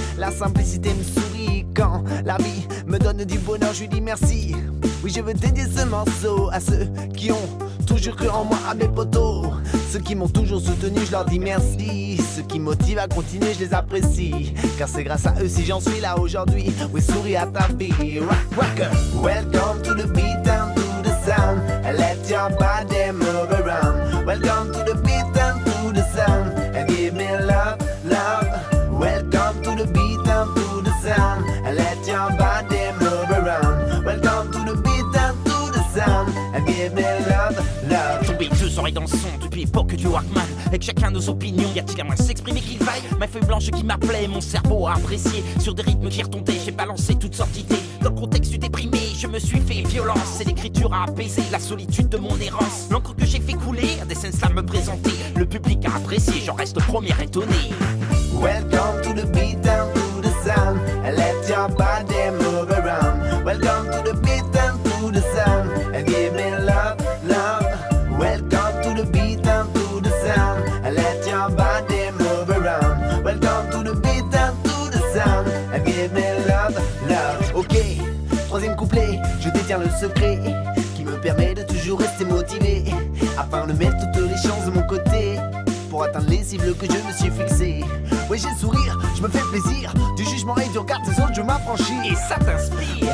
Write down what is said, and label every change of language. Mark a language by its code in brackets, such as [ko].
[fr] La simplicité me sourit quand la vie me donne du bonheur, je lui dis merci. Oui, je veux dédier ce morceau à ceux qui ont toujours cru en moi, à mes potos. Ceux qui m'ont toujours soutenu, je leur dis merci. Ceux qui motivent à continuer, je les apprécie, car c'est grâce à eux si j'en suis là aujourd'hui. Oui, souris à ta vie. Rock, rock. [en] Welcome to the beat and to the sound, and let your body move around. Welcome to the beat and to the sound, and give me love, love. Welcome to the beat and to the sound, and let your body move around. Welcome to the beat and to the sound, and give me love, love. [fr] Tombé deux oreilles dans le son depuis l'époque du Walkman. Avec chacun nos opinions, y a-t-il à moins s'exprimer qu'il vaille. Ma feuille blanche qui m'appelait, mon cerveau a apprécié. Sur des rythmes qui retombaient, j'ai balancé toutes sortes d'idées. Dans le contexte du déprimé, je me suis fait violence. C'est l'écriture à apaiser la solitude de mon errance. L'encre que j'ai fait couler, à des scènes slam me présenter. Le public a apprécié, j'en reste le premier étonné. [en] Welcome to the beat and to the sound, and let your body move around. Welcome to the beat and to the sound, and give me love, love. Welcome to the beat and to the sound, and let your body move around. Welcome to the beat and to the sound, and give me love, love. [fr] Ok, troisième couplet, je détiens le secret qui me permet de toujours rester motivé, afin de mettre toutes les chances de mon côté pour atteindre les cibles que je me suis fixé. Oui, j'ai le sourire, je me fais plaisir. Du jugement et du regard des autres, je m'affranchis. Et ça t'inspire.